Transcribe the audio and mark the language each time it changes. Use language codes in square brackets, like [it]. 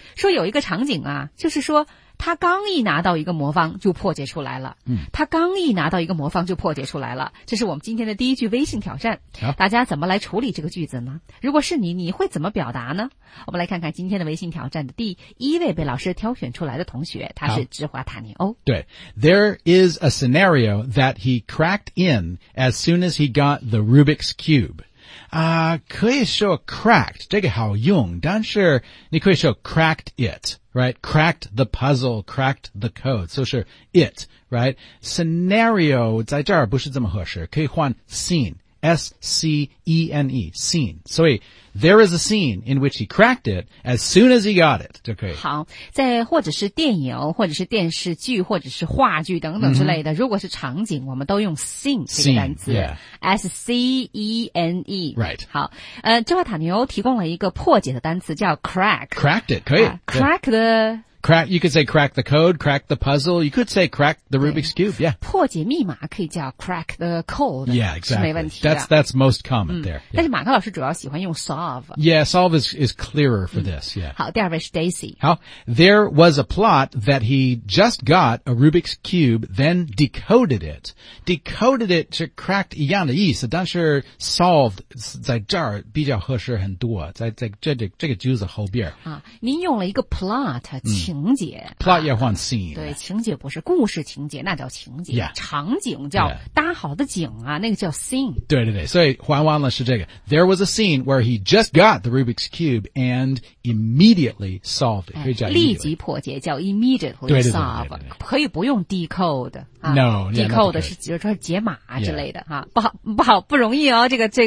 [zh] 说有一个场景啊，就是说他刚一拿到一个魔方就破解出来了、 mm-hmm. 他刚一拿到一个魔方就破解出来了，这是我们今天的第一句微信挑战、 [en] yeah. [zh] 大家怎么来处理这个句子呢？如果是你，你会怎么表达呢？我们来看看今天的微信挑战的第一位被老师挑选出来的同学，他是芝华塔尼欧。 [en] 对， There is a scenario that he cracked in as soon as he got the Rubik's Cube. [zh] 可以说 cracked, 这个好用，但是你可以说 [en] cracked it, right? Cracked the puzzle, cracked the code, 就是 it, right? [zh] Scenario 在这儿不是这么合适，可以换 scene, S-C-E-N-E, scene. 所以 [en] there is a scene in which he cracked it as soon as he got it, [zh] 就可以。好，在或者是电影，或者是电视剧，或者是话剧等等之类的、 mm-hmm. 如果是场景，我们都用 scene 这个单词。 [en] Scene, yeah. S-C-E-N-E. Right. [zh] 好，芝华塔尼欧提供了一个破解的单词叫 crack. [en] Cracked it, 可以。 Crack the... Crack, you could say crack the code, crack the puzzle. You could say crack the Rubik's Cube, yeah. [zh] 破解密码可以叫 crack the code. [en] Yeah, exactly. [zh] 是没问题的。 [en] That's most common、嗯、there.、Yeah. [zh] 但是马克老师主要喜欢用 solve. [en] Yeah, solve is clearer for、嗯、this, yeah. [zh] 好，第二位是 Daisy. [en] 好 There was a plot that he just got a Rubik's Cube, then decoded it. [zh] Decoded it 是 cracked 一样的意思，但是 solved 在这儿比较合适很多，在这个句子后边。啊，您用了一个 plot、嗯。情节 plot 要换 scene、啊、对情节不是故事情节那叫情节、 [en] yeah. [zh] 场景叫搭好的景啊、yeah. 那个叫 scene 对对对所以还完了是这个 [en] There was a scene where he just got the Rubik's Cube and immediately solved it、哎、 [zh] 可以叫立即破解叫 immediately solve 对对对对对对可以不用 decode、啊、 [en] No [zh] decode 是比如说解码之类的、yeah. 啊、不好不容易哦这个、